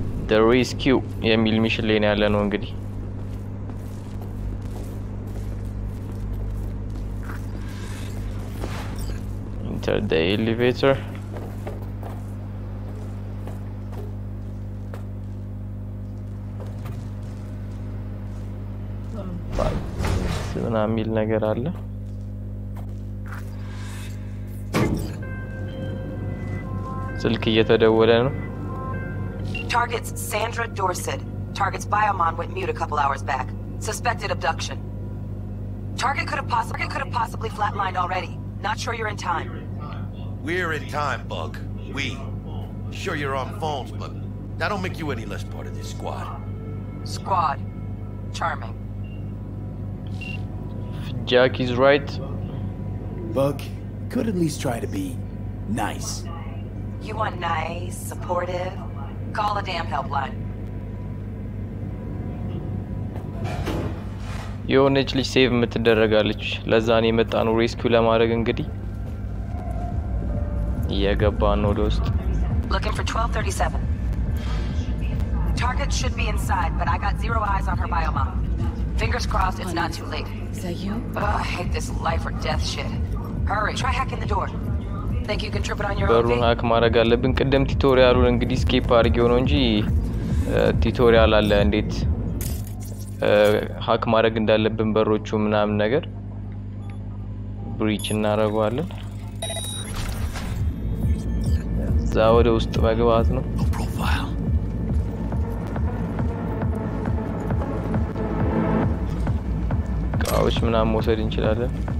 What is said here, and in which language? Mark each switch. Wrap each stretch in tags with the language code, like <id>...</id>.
<am>the rescue የሚል ሚሽን ላይ ያለ ነው እንግዲህ</am> <en>enter the elevator</en> <am>ስለና ሚል ነገር አለ ስልክ እየተደወለ ነው</am> <en>Target's Sandra Dorset. Target's Biomon went mute a couple hours back. Suspected abduction. Target could have possibly flatlined already. Not sure you're in time. We're in time, Bug. We. Sure you're on phones, but that don't make you any less part of this squad. Squad. Charming. Jack is right. Bug, could at least try to be nice. You want nice, supportive? Call a damn helpline.</en> <am>የሆነች ልጅ ሴቭ የምትደረጋለች ለዛ ነው የመጣነው ሪስኩ ለማድረግ እንግዲህ እየገባን ወደ ውስጥ</am> <en>looking for 1237 target should be inside but I got zero eyes on her biomap fingers crossed it's not too late is that you oh, I hate this life or death shit hurry try hacking the door think you can trip it on your own</en> <am>በሩን ሀክ ማድረግ አለብን ቅድም ቲቶሪያሉን እንግዲህ ስኬፕ አድርጌው ነው እንጂ ቲቶሪያል አለ እንዴት ሀክ ማድረግ እንዳለብን በሮቹ ምናምን ነገር ብሪች እናደርጋለን እዛ ወደ ውስጥ መግባት ነው ቃዎች ምናምን መውሰድ እንችላለን</am>